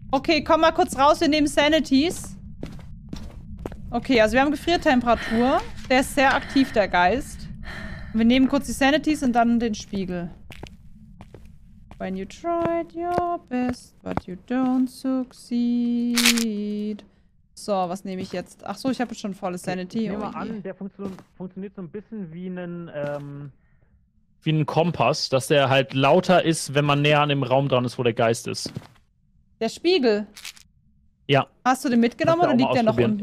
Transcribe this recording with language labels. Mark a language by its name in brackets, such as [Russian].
[German] Okay, komm mal kurz raus, wir nehmen Sanities. Okay, also wir haben Gefriertemperatur. Der ist sehr aktiv, der Geist. Wir nehmen kurz die Sanities und dann den Spiegel. [English] When you tried your best, but you don't succeed. [German] So, was nehme ich jetzt? Ach so, ich habe jetzt schon volle Sanity. Nehmen wir an, der funktioniert so ein bisschen wie ein Kompass, dass der halt lauter ist, wenn man näher an dem Raum dran ist, wo der Geist ist. Der Spiegel? Ja. Hast du den mitgenommen oder liegt der noch unten?